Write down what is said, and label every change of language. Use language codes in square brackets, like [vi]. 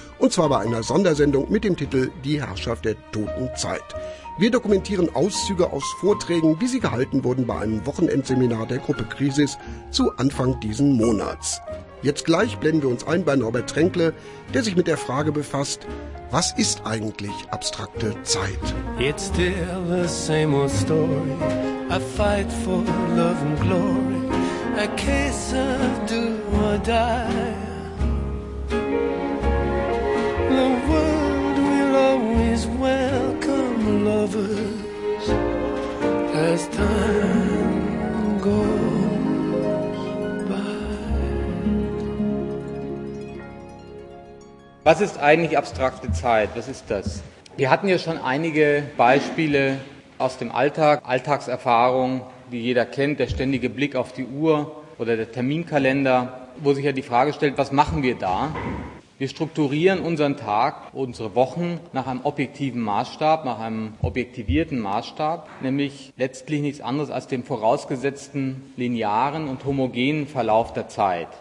[de] Und zwar bei einer Sondersendung mit dem Titel Die Herrschaft der toten Zeit. Wir dokumentieren Auszüge aus Vorträgen, wie sie gehalten wurden bei einem Wochenendseminar der Gruppe Krisis zu Anfang diesen Monats. Jetzt gleich blenden wir uns ein bei Norbert Trenkle, der sich mit der Frage befasst, was ist eigentlich abstrakte Zeit? [en] It's still the same old story. A fight for love and glory. A case of do or die. The world will always welcome lovers as time goes. [de] Was ist eigentlich abstrakte Zeit? Was ist das? Wir hatten ja schon einige Beispiele aus dem Alltag, Alltagserfahrung, die jeder kennt, der ständige Blick auf die Uhr oder der Terminkalender, wo sich ja die Frage stellt, was machen wir da? Wir strukturieren unseren Tag, unsere Wochen nach einem objektiven Maßstab, nach einem objektivierten Maßstab, nämlich letztlich nichts anderes als dem vorausgesetzten linearen und homogenen Verlauf der Zeit.